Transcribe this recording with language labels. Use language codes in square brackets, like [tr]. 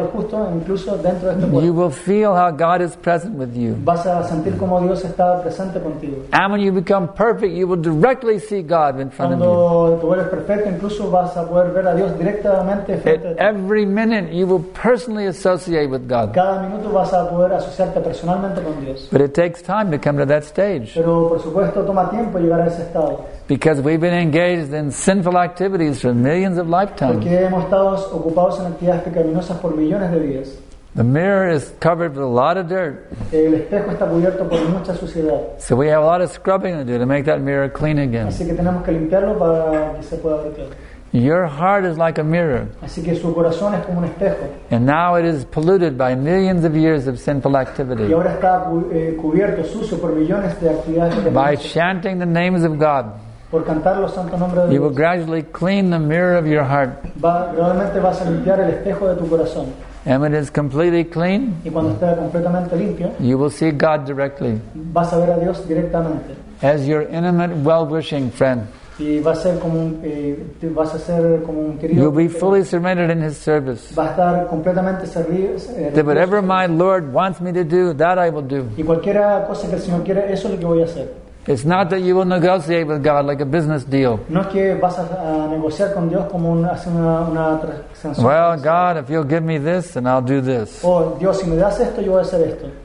[en] You will feel how God is present with you. [es] Vas a sentir como Dios está presente contigo. [en] And when you become perfect, you will directly see God in front [es] cuando [en] of you. [es] Tú eres perfecto, incluso vas a poder ver a Dios directamente frente [en] at [es] a ti. [en] Every minute, you will personally associate with God. [es] Cada minuto vas a poder asociarte personalmente con Dios. [en] But it takes time to come to that stage. [es] Pero por supuesto, toma tiempo llegar a ese estado. [en] Because we've been engaged in sinful activities for millions of lifetimes. [es] Porque hemos estado ocupados en actividades pecaminosas por millones de vidas. [en] The mirror is covered with a lot of dirt. [es] El espejo está cubierto por mucha suciedad. [en] So we have a lot of scrubbing to do to make that mirror clean again. [es] Así que tenemos que limpiarlo para que se pueda ver claro. [en] Your heart is like a mirror. [es] Así que su corazón es como un espejo. [en] And now it is polluted by millions of years of sinful activity. [es] Y ahora está cubierto, sucio por millones de actividades pecaminosas. [en] By chanting the names of God. [es] Por cantar los santos nombres de [en] Dios. You will gradually clean the mirror of your heart. [es] Realmente vas a limpiar el espejo de tu corazón. [en] And when it is completely clean, [es] y cuando esté completamente limpio, [en] you will see God directly. [es] Vas a ver a Dios directamente. [en] As your intimate, well-wishing friend. [es] Y vas a ser como un, vas a ser como un querido. [en] You'll be fully surrendered in his service. [es] Vas a estar completamente servido. [en] Whatever my Lord wants me to do, that I will do. [es] Y cualquier cosa que el Señor quiera, eso es lo que voy a hacer. [en] It's not that you will negotiate with God like a business deal. [es] No es que vas a negociar con Dios como hacer una transacción. [en] Well, God, if you'll give me this, then I'll do this. [es] Oh, Dios, si me das esto, yo voy a hacer esto.